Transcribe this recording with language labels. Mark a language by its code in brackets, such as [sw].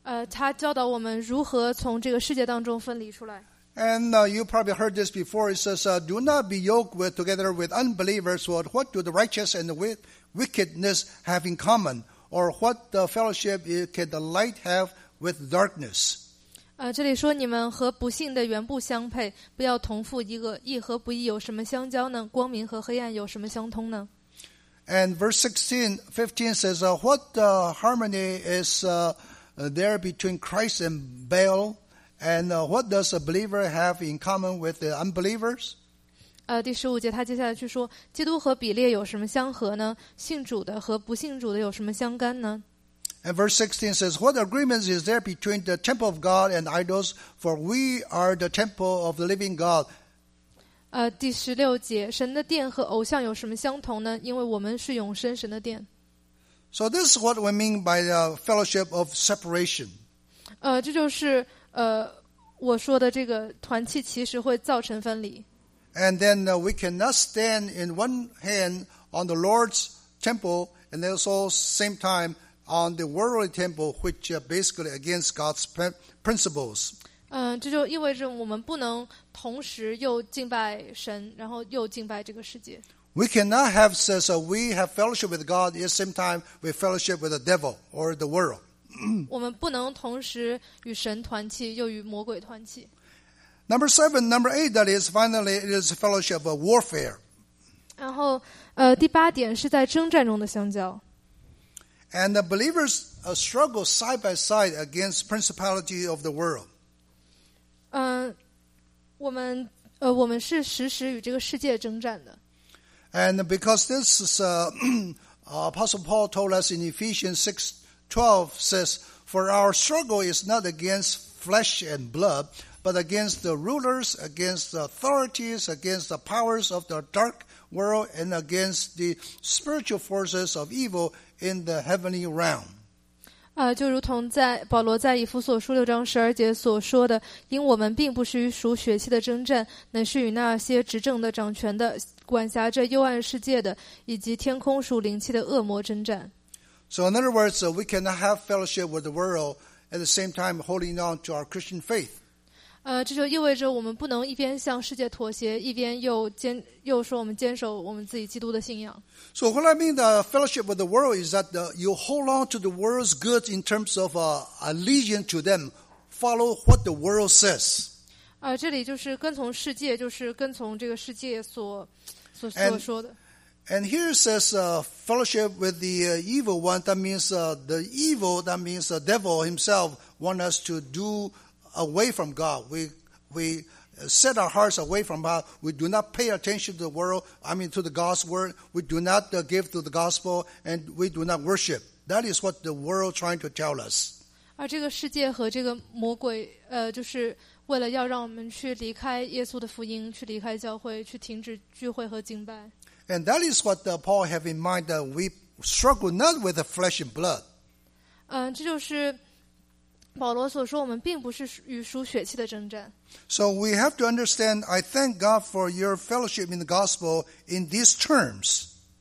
[zh] 他教导我们如何从这个世界当中分离出来。 [en] And you probably heard this before. It says, "Do not be yoked with together with unbelievers. What do the righteous and the wickedness have in common? Or what the fellowship can the light have with darkness?" [zh] 这里说你们和不幸的原不相配，不要同父一个，义和不义有什么相交呢？光明和黑暗有什么相通呢？ [en] And verse 15 says, what harmony is there between Christ and Baal? And what does a believer have in common with the unbelievers? [zh] 第十五节他接下来去说，基督和比列有什么相合呢？信主的和不信主的有什么相干呢？ [en] And verse 16 says, What agreement is there between the temple of God and idols? For we are the temple of the living God. [zh] 第十六节，神的殿和偶像有什么相同呢？因为我们是永生神的殿。 [en] So this is what we mean by the fellowship of separation. [zh] 这就是我说的这个团契其实会造成分离。 [en] And then we cannot stand in one hand on the Lord's temple and also same time. On the worldly temple, which are basically against God's principles. [zh] 这就意味着我们不能同时又敬拜神，然后又敬拜这个世界。 [en] We cannot have says we have fellowship with God at the same time we fellowship with the devil or the world. [zh] 我们不能同时与神团契，又与魔鬼团契。 [en] Number eight, that is finally, it is fellowship of warfare. [zh] 然后，第八点是在征战中的相交。 [en] And the believers struggle side by side against principality of the world. [zh] 我们是时时与这个世界征战的。 [en] And because this is Apostle Paul told us in Ephesians 6:12 says, For our struggle is not against flesh and blood, but against the rulers, against the authorities, against the powers of the dark world, and against the spiritual forces of evil. In the heavenly realm, [zh] 就如同在保罗在以弗所书六章十二节所说的，因我们并不是与属血气的征战，乃是与那些执政的、掌权的、管辖着幽暗世界的，以及天空属灵气的恶魔征战。 [en] So in other words, we cannot have fellowship with the world at the same time holding on to our Christian faith. [zh] 这就意味着我们不能一边向世界妥协，一边又说我们坚守我们自己基督的信仰。 [en] So what I mean the fellowship with the world is that you hold on to the world's goods in terms of allegiance to them, follow what the world says. [zh] 这里就是跟从世界，就是跟从这个世界所说的。 [en] And here it says fellowship with the evil one. That means the evil. That means the devil himself wants us to do away from God. We set our hearts away from God. We do not pay attention to the world, I mean to the God's word. We do not give to the gospel and we do not worship. That is what the world is trying to tell us. [zh] 而这个世界和这个魔鬼就是为了要让我们去离开耶稣的福音，去离开教会，去停止聚会和敬拜。 [en] And that is what Paul have in mind that we struggle not with the flesh and blood. [zh] 这就是保罗所说我们并不是与属血气的征战。 [en] So we have to understand, I thank God for your fellowship in the gospel in these terms.